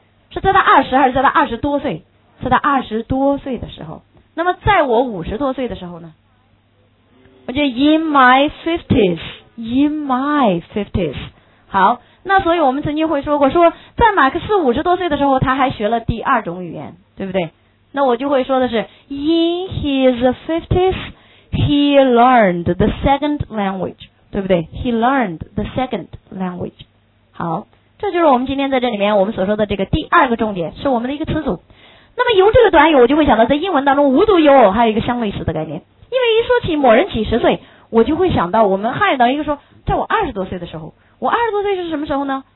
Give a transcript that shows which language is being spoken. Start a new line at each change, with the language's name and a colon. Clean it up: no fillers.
Chinese: 是在他二十还是在他二十多岁？在他二十多岁的时候。那么在我五十多岁的时候呢？我就
English: in my fifties， in my fifties。
Chinese: 好，那所以我们曾经会说过，说在马克思五十多岁的时候，他还学了第二种语言，对不对？那我就会说的是
English: in his fifties he learned the second language。
Chinese: 对不对
English: ？He learned the second language。
Chinese: 好，这就是我们今天在这里面我们所说的这个第二个重点，是我们的一个词组。那么由这个短语，我就会想到在英文当中无独有偶还有一个相类似的概念。因为一说起某人几十岁，我就会想到我们汉语当一个说，在我二十多岁的时候，我二十多岁是什么时候呢？